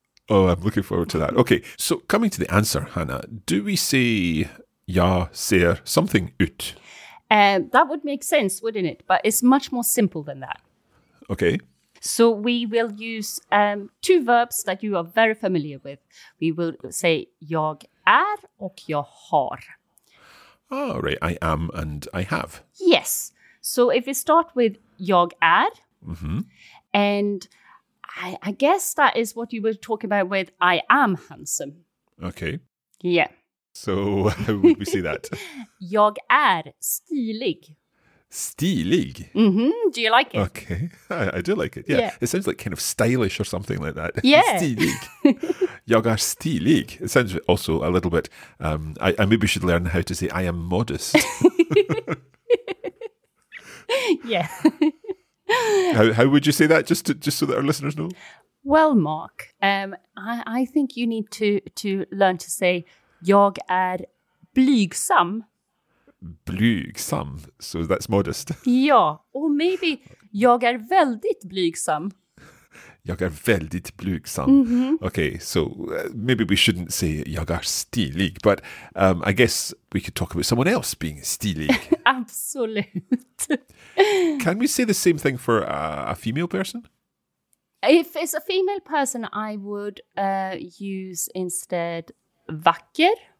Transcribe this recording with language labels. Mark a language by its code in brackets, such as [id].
[en] Oh, I'm looking forward to that. Okay, so coming to the answer, Hannah, do we say [sv] ja ser [en] something ut? That would make sense, wouldn't it? But it's much more simple than that. Okay. So we will use two verbs that you are very familiar with. We will say [sv] jag är och jag har. [en] Oh, right. I am and I have. Yes. So if we start with [sv] jag är, [en] and I guess that is what you were talking about with I am handsome. Okay. Yeah. So how would we say that? [sv] Jag är stilig. Stilig? [en] Mm-hmm. Do you like it? Okay. I do like it. Yeah. Yeah. It sounds like kind of stylish or something like that. Yeah. [sv] Stilig. Jag är stilig. [en] It sounds also a little bit, I maybe should learn how to say I am modest. Yeah. How would you say that, just so that our listeners know? Well, Mark, I think you need to learn to say [sv] Jag är blygsam. [en] Blygsam, so that's modest. [sv] Ja, [en] or maybe [sv] jag är väldigt blygsam. Jag är väldigt blygsam. Mm-hmm. [en] Okay, so maybe we shouldn't say [sv] jag är stilig, [en] but I guess we could talk about someone else being stilig. [sv] Absolut. [en] Can we say the same thing for a female person? If it's a female person, I would use instead vacker.